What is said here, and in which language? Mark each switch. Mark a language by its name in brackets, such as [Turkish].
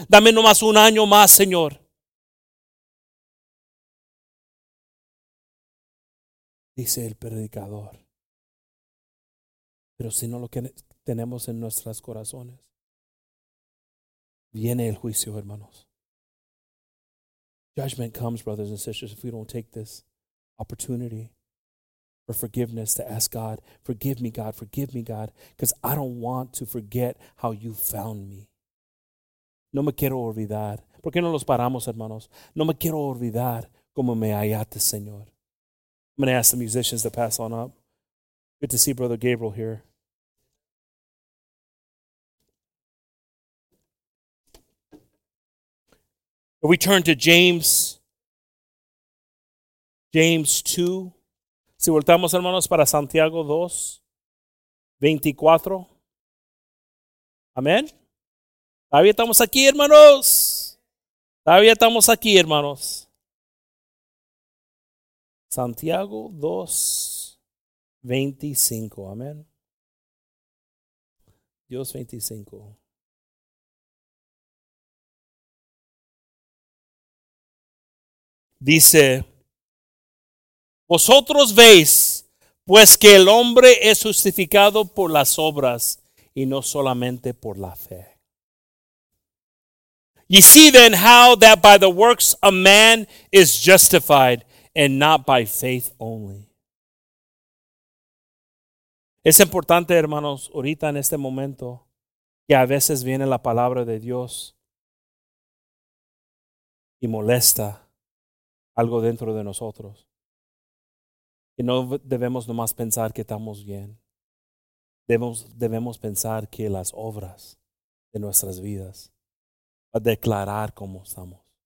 [Spanish] Dame nomás un año más, Señor. Dice el predicador. Pero si no lo tenemos en nuestros corazones, viene el juicio, hermanos. [English] Judgment comes, brothers and sisters, if we don't take this opportunity for forgiveness to ask God, forgive me, God, because I don't want to forget how you found me. [Spanish] No me quiero olvidar. ¿Por qué no los paramos, hermanos? No me quiero olvidar cómo me hallaste, Señor. [English] I'm going to ask the musicians to pass on up. Good to see Brother Gabriel here. We turn to James. [Spanish] James 2. Si voltamos, hermanos, para Santiago 2, 24. Amén. Todavía estamos aquí, hermanos. Todavía estamos aquí, hermanos. Santiago 2, 25. Amén. Dios 25. Dice, vosotros veis, pues que el hombre es justificado por las obras y no solamente por la fe. Ye see then how that by the works a man is justified and not by faith only. Es importante, hermanos, ahorita en este momento, que a veces viene la palabra de Dios y molesta algo dentro de nosotros. Y no debemos nomás pensar que estamos bien. Debemos pensar que las obras de nuestras vidas van a declarar cómo estamos.